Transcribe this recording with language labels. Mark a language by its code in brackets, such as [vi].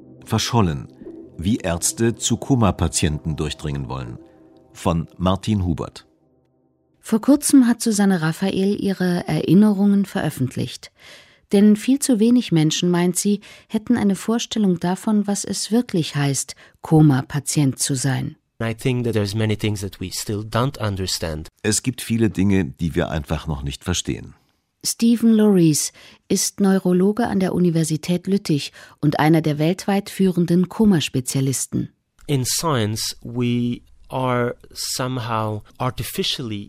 [de] Verschollen, wie Ärzte zu Koma-Patienten durchdringen wollen. Von Martin Hubert. Vor kurzem hat Susanne Raphael ihre Erinnerungen veröffentlicht. Denn viel zu wenig Menschen, meint sie, hätten eine Vorstellung davon, was es wirklich heißt, Koma-Patient zu sein. [en] I think that there's many things that we still don't understand. [de] Es gibt viele Dinge, die wir einfach noch nicht verstehen. Stephen Lorries ist Neurologe an der Universität Lüttich und einer der weltweit führenden Koma-Spezialisten. [en] In Science we are somehow artificially.